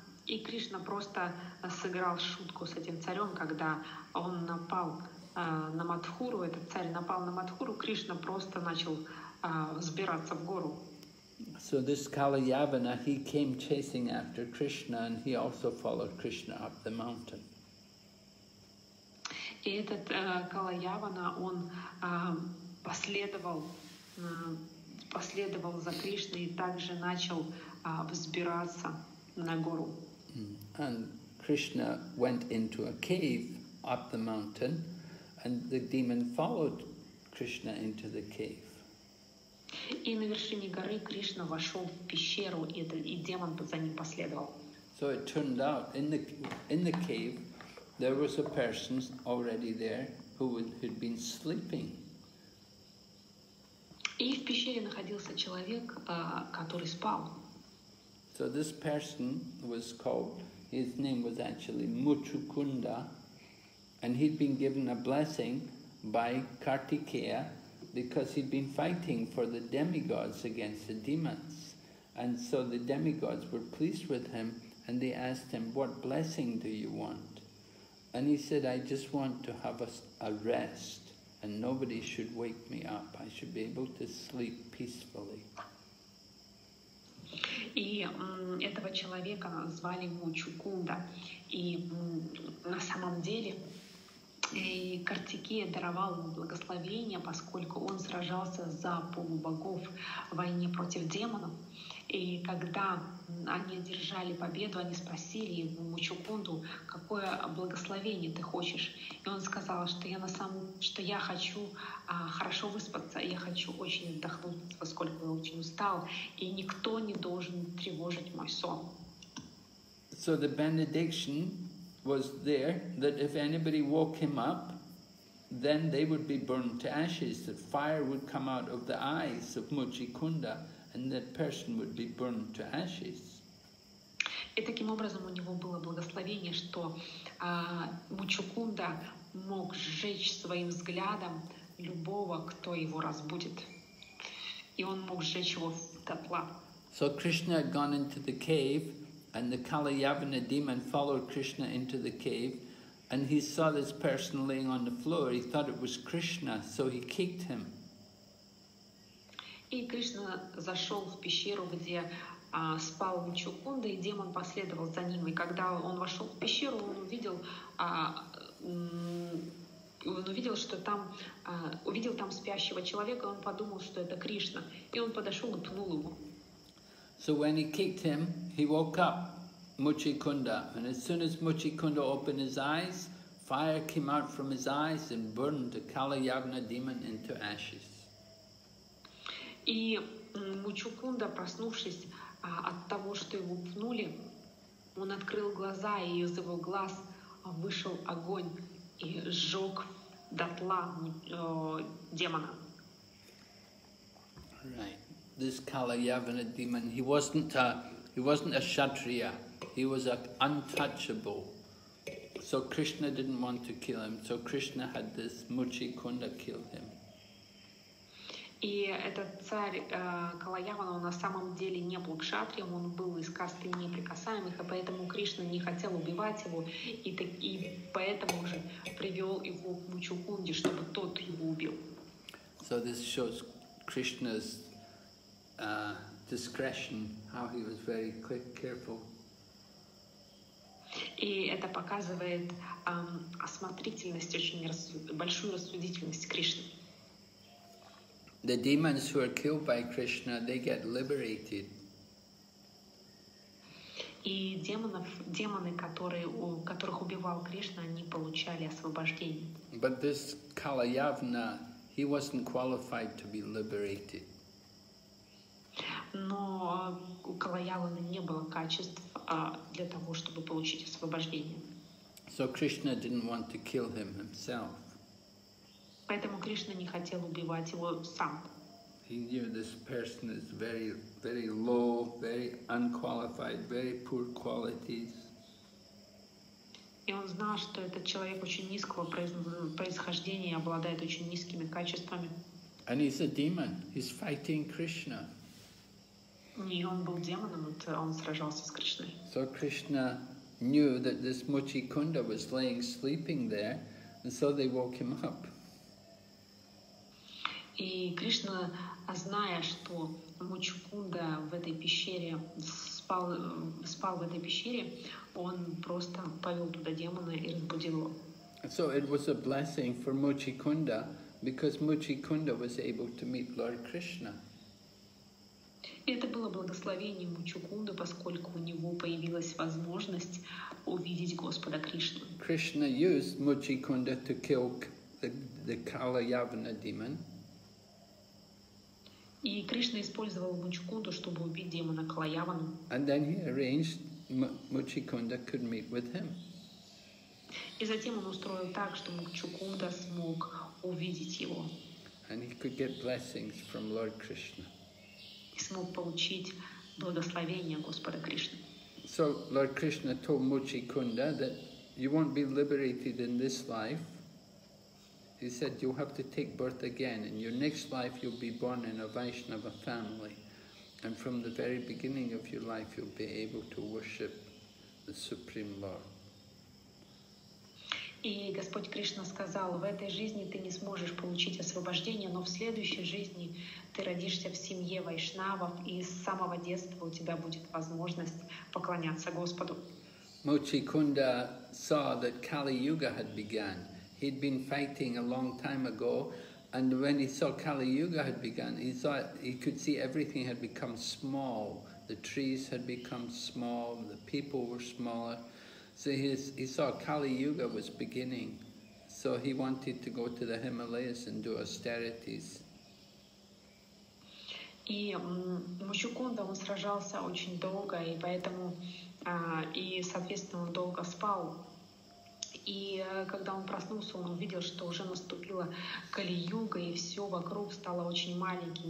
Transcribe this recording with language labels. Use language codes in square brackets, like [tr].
[ru] И Кришна просто сыграл шутку с этим царем, когда он напал на Мадхуру, этот царь напал на Мадхуру, Кришна просто начал взбираться в гору. [en] So this Kali Yavana, he came chasing after Krishna, and he also followed Krishna up the mountain. [ru] И этот Кала Явана, он последовал за Кришной и также начал взбираться на гору. [en] And Krishna went into a cave up the mountain, and the demon followed Krishna into the cave. [ru] И на вершине горы Кришна вошел в пещеру, и демон за ним последовал. [en] So it turned out in the cave there was a person already there who had been sleeping. [ru] И в пещере находился человек, который спал. [en] So this person was called, his name was actually Muchukunda, and he'd been given a blessing by Kartikeya because he'd been fighting for the demigods against the demons. And so the demigods were pleased with him, and they asked him, "What blessing do you want?" And he said, "I just want to have a rest, and nobody should wake me up. I should be able to sleep peacefully." [ru] И этого человека звали Мучукунда. И на самом деле Картикея даровал ему благословение, поскольку он сражался за полубогов в войне против демонов. И когда они одержали победу, они спросили его, Мучукунду, какое благословение ты хочешь? И он сказал, что я хочу хорошо выспаться, я хочу очень отдохнуть, поскольку я очень устал, и никто не должен тревожить мой сон. [en] So the benediction was there that if anybody woke him up, then they would be burned to ashes, that fire would come out of the eyes of Мучукунда, and that person would be burned to ashes. [ru] И таким образом у него было благословение, что Мучукунда мог сжечь своим взглядом любого, кто его разбудит. И он мог сжечь его дотла. [en] So Krishna had gone into the cave, and the Kali Yavana demon followed Krishna into the cave, and he saw this person laying on the floor. He thought it was Krishna, so he kicked him. [ru] И Кришна зашел в пещеру, где спал Мучукунда, и демон последовал за ним. И когда он вошел в пещеру, он увидел там спящего человека, и он подумал, что это Кришна. И он подошел и пнул его. [en] So when he kicked him, he woke up Мучукунда. And as soon as Мучукунда opened his eyes, fire came out from his eyes and burned the Kali Yavana demon into ashes. [ru] И Мучукунда, проснувшись от того, что его пнули, он открыл глаза, и из его глаз вышел огонь и сжег дотла демона. [en] Right. This Kala Yavana demon, he wasn't a kshatriya, he was an untouchable. So Krishna didn't want to kill him, so Krishna had this Мучукунда kill him. [ru] И этот царь Калаявана, он на самом деле не был кшатрием, он был из касты неприкасаемых, и поэтому Кришна не хотел убивать его, и поэтому же привел его к Мучукунде, чтобы тот его убил. [en] So this shows Krishna's discretion, how he was very careful. [ru] И это показывает осмотрительность, очень большую рассудительность Кришны. [en] The demons who are killed by Krishna, they get liberated. [ru] И демоны, которых убивал Кришна, они получали освобождение. [en] But this Kala Yavana, he wasn't qualified to be liberated. [ru] Но у Кала Явана не было качеств для того, чтобы получить освобождение. [en] So Krishna didn't want to kill him himself. [ru] Поэтому Кришна не хотел убивать его сам. [en] He knew this person is very, very low, very unqualified, very poor qualities. [ru] И он знал, что этот человек очень низкого происхождения, обладает очень низкими качествами. [en] And he's a demon. He's fighting Krishna. [ru] И он был демоном, он сражался с Кришной. [en] So Krishna knew that this Мучукунда was laying sleeping there, and so they woke him up. [ru] И Кришна, зная, что Мучкунда в этой пещере спал в этой пещере, он просто повел туда демона и разбудил его. [en] So it was a blessing for Muchikunda because Muchikunda was able to meet Lord Krishna. [ru] И это было благословением Мучкунды, поскольку у него появилась возможность увидеть Господа Кришну. [en] Krishna used Muchikunda to kill the Kala Yavana demon. [ru] И Кришна использовал Мучкунду, чтобы убить демона Калаяван. [en] And then he arranged Muchikunda could meet with him. [ru] И затем он устроил так, что Мучкунда смог увидеть его. [en] And he could get blessings from Lord Krishna. [ru] И смог получить благословение Господа Кришны. [en] So Lord Krishna told Muchikunda that you won't be liberated in this life. He said, you have to take birth again. In your next life, you'll be born in a Vaishnava family. And from the very beginning of your life, you'll be able to worship the Supreme Lord. [ru] И Господь Кришна сказал, в этой жизни ты не сможешь получить освобождение, но в следующей жизни ты родишься в семье вайшнавов, и с самого детства у тебя будет возможность поклоняться Господу. [en] Muchikunda saw that Kali Yuga had begun. He'd been fighting a long time ago, and when he saw Kali Yuga had begun, he could see everything had become small. The trees had become small, the people were smaller. So he saw Kali Yuga was beginning, so he wanted to go to the Himalayas and do austerities. [ru] И Мучкунда, он сражался очень долго, и поэтому, и, соответственно, он долго спал. И когда он проснулся, он увидел, что уже наступила Кали-юга, и все вокруг стало очень маленьким.